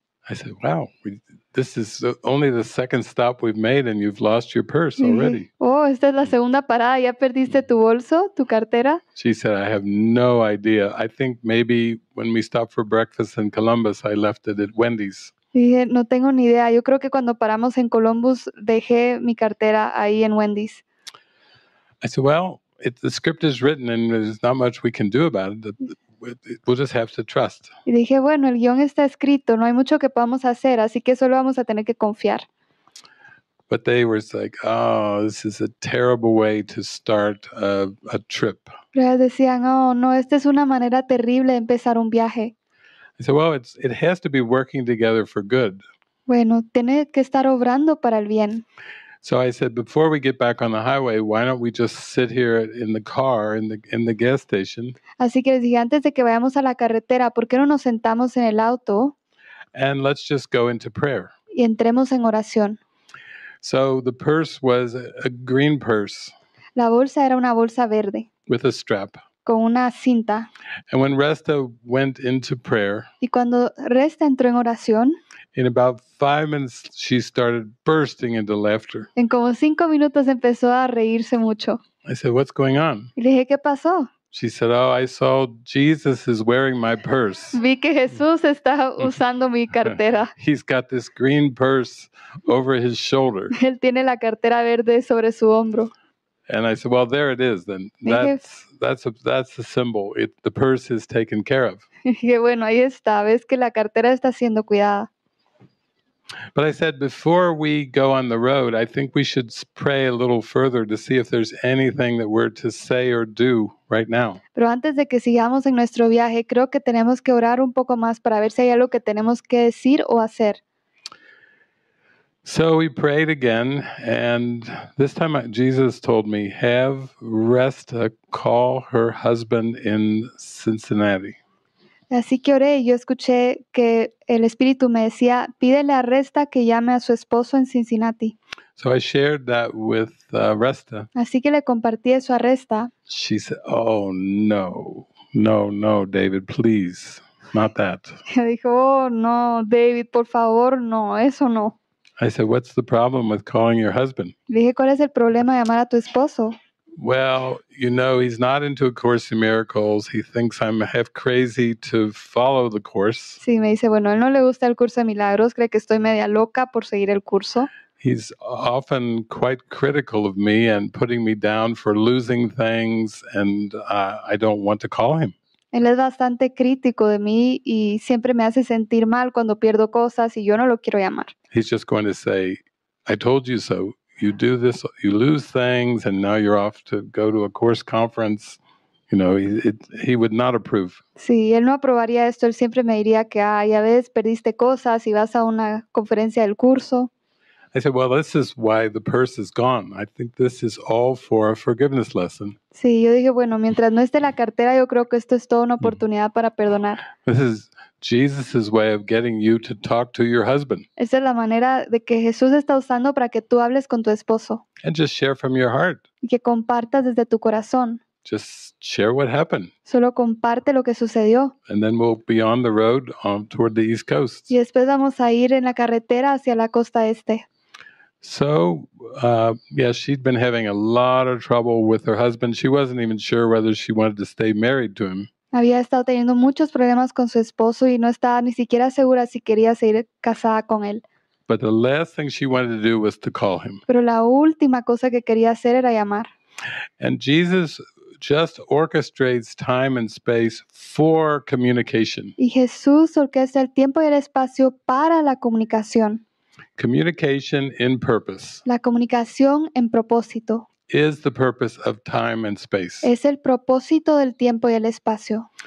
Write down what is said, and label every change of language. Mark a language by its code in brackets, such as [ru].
[en] I said, wow, this is only the second stop we've made and you've lost your purse already. [es] Oh, esta es la segunda parada, ¿ya perdiste tu bolso, tu cartera? [en] She said, I have no idea. I think maybe when we stopped for breakfast in Columbus, I left it at Wendy's. [es] Dije, no tengo ni idea. Yo creo que cuando paramos en Columbus, dejé mi cartera ahí en Wendy's. [en] I said, well, the script is written and there's not much we can do about it. We'll just have to trust. [es] Y dije, bueno, el guión está escrito, no hay mucho que podamos hacer, así que solo vamos a tener que confiar. [en] But they were like, oh, this is a terrible way to start a trip. [es] Pero ellos decían, oh, no, esta es una manera terrible de empezar un viaje. [en] I said, well, it has to be working together for good. [es] Bueno, tiene que estar obrando para el bien. [en] So I said, before we get back on the highway, why don't we just sit here in the car, in the gas station? [es] Así que les dije, antes de que vayamos a la carretera, ¿por qué no nos sentamos en el auto? [en] And let's just go into prayer. [es] Y entremos en oración. [en] So the purse was a green purse. [es] La bolsa era una bolsa verde. [en] With a strap. [es] Con una cinta. [en] And when Resta went into prayer. [es] Y cuando Resta entró en oración. [en] In about 5 minutes, she started bursting into laughter. [es] En como 5 minutos empezó a reírse mucho. [en] I said, "What's going on?" [es] Y le dije, ¿qué pasó? [en] She said, "Oh, I saw Jesus is wearing my purse." [es] Vi que Jesús está usando mi cartera. [en] He's got this green purse over his shoulder. [es] Él tiene la cartera verde sobre su hombro. [en] And I said, "Well, there it is then. That's the symbol. The purse is taken care of." [es] Y dije, bueno, ahí está. Ves que la cartera está siendo cuidada. [en] But I said, before we go on the road, I think we should pray a little further to see if there's anything that we're to say or do right now. [es] Pero antes de que sigamos en nuestro viaje, creo que tenemos que orar un poco más para ver si hay algo que tenemos que decir o hacer. [en] So we prayed again, and this time Jesus told me, have Resta call her husband in Cincinnati. [es] Así que oré y yo escuché que el Espíritu me decía, pídele a Resta que llame a su esposo en Cincinnati. [en] So I shared that with Resta. [es] Así que le compartí eso a Resta. [en] She said, oh no, no, no, David, please, not that. [es] Ella dijo, oh no, David, por favor, no, eso no. [en] I said, what's the problem with calling your husband? [es] Le dije, ¿cuál es el problema de llamar a tu esposo? [en] Well, you know, he's not into A Course in Miracles. He thinks I'm half crazy to follow the course. [es] Sí, me dice, bueno, él no le gusta el curso de milagros. Cree que estoy media loca por seguir el curso. [en] He's often quite critical of me and putting me down for losing things, and I don't want to call him. [es] Él es bastante crítico de mí y siempre me hace sentir mal cuando pierdo cosas y yo no lo quiero llamar. [en] He's just going to say, I told you so. You do this, you lose things, and now you're off to go to a course conference. You know, he would not approve. [es] Sí, él no aprobaría esto. Él siempre me diría que, ah, ya ves, perdiste cosas y vas a una conferencia del curso. [en] I said, well, this is why the purse is gone. I think this is all for a forgiveness lesson. [es] Sí, yo dije, bueno, mientras no esté la cartera, yo creo que esto es toda una oportunidad para perdonar. [en] This is Jesus's way of getting you to talk to your husband. [es] Esa es la manera de que Jesús está usando para que tú hables con tu esposo. [en] And just share from your heart. [es] Y que compartas desde tu corazón. [en] Just share what happened. [es] Solo comparte lo que sucedió. [en] And then we'll be on the road toward the East Coast. [es] Y después vamos a ir en la carretera hacia la costa este. [en] So, yeah, she'd been having a lot of trouble with her husband. She wasn't even sure whether she wanted to stay married to him. [es] Había estado teniendo muchos problemas con su esposo y no estaba ni siquiera segura si quería seguir casada con él. [en] But the last thing she wanted to do was to call him. [es] Pero la última cosa que quería hacer era llamar. [en] And Jesus just orchestrates time and space for communication. [es] Y Jesús orquesta el tiempo y el espacio para la comunicación. [en] Communication in purpose. [es] La comunicación en propósito. [en] is the purpose of time and space. [es] Es el propósito del tiempo y el espacio.